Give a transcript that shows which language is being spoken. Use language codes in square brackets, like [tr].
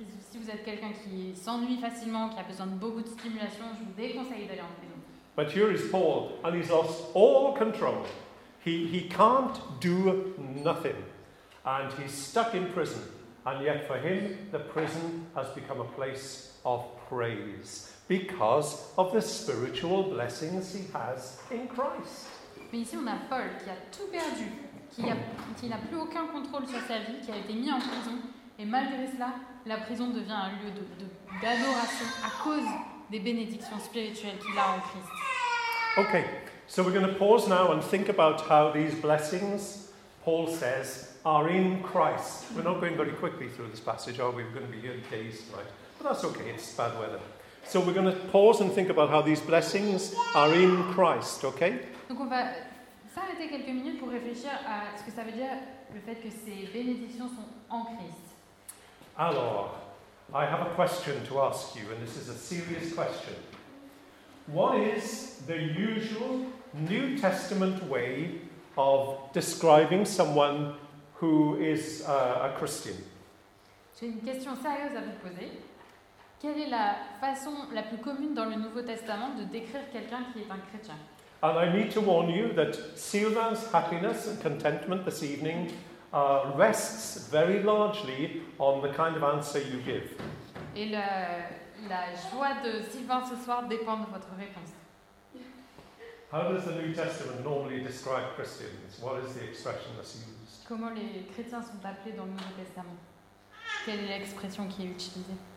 [fr] Si vous êtes quelqu'un qui s'ennuie facilement, qui a besoin de beaucoup de stimulation, je vous déconseille d'aller en prison. [en] But here is Paul, and he's lost all control. He can't do nothing, and he's stuck in prison. And yet for him, the prison has become a place of praise because of the spiritual blessings he has in Christ. [fr] Mais ici on a Paul qui a tout perdu, qui n'a plus aucun contrôle sur sa vie, qui a été mis en prison. Et malgré cela, la prison devient un lieu d'adoration à cause des bénédictions spirituelles qu'il a en Christ. [en] Okay, so we're going to pause now and think about how these blessings, Paul says, are in Christ. We're not going very quickly through this passage, are we? We're going to be here days, right? But that's okay, it's bad weather. So we're going to pause and think about how these blessings are in Christ, okay? [fr] Donc on va s'arrêter quelques minutes pour réfléchir à ce que ça veut dire, le fait que ces bénédictions sont en Christ. [en] Alors, I have a question to ask you, and this is a serious question. What is the usual New Testament way of describing someone who is a Christian? [fr] J'ai une question sérieuse à vous poser. Quelle est la façon la plus commune dans le Nouveau Testament de décrire quelqu'un qui est un chrétien? [en] And I need to warn you that Sylvain's happiness and contentment this evening rests very largely on the kind of answer you give. [fr] Et la joie de Sylvain ce soir dépend de votre réponse. [en] How does the New Testament normally describe Christians? What is the expression that's used? [fr] Comment les chrétiens sont appelés dans le Nouveau Testament? Quelle est l'expression qui est utilisée?